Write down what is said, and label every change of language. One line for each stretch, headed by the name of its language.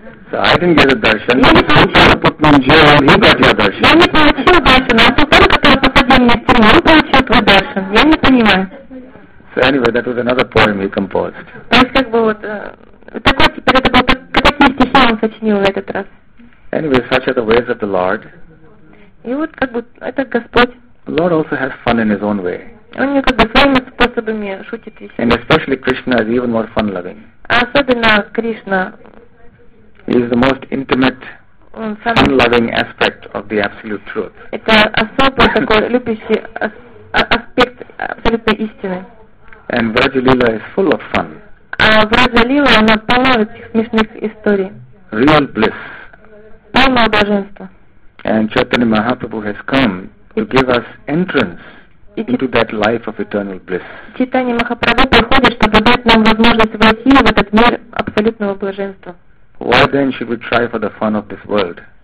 English: so I didn't get a darshan, Sultan put me in jail, he got your darshan.
Russian: Я не получил darshan, а Sultan, который посадил меня в тюрьму, он получил твой darshan. Я не понимаю.
English: So anyway, that was another poem he composed.
Russian: То есть как бы вот, такой теперь это был, какие стихи он сочинил в этот раз.
English: Anyway, such are the ways of the Lord.
Russian: И вот как бы, это Господь.
English: Lord also has fun in his own way.
Russian: Он как бы своими способами шутит и
English: And especially Krishna is even more fun-loving.
Russian: А особенно Кришна.
English: He is the most intimate, fun-loving aspect of the Absolute Truth.
Russian: Это особо такой любящий аспект Абсолютной Истины.
English: And Vraja Leela is full of fun.
Russian: А Vraja Leela, она полна этих смешных историй.
English: Real bliss.
Russian: Полное блаженство.
English: And Chaitanya Mahaprabhu has come to give us entrance into that life of eternal bliss.
Russian: Chaitanya Mahaprabhu приходит, чтобы дать нам возможность войти в этот мир абсолютного блаженства.
English: Why then should we try for the fun of this world?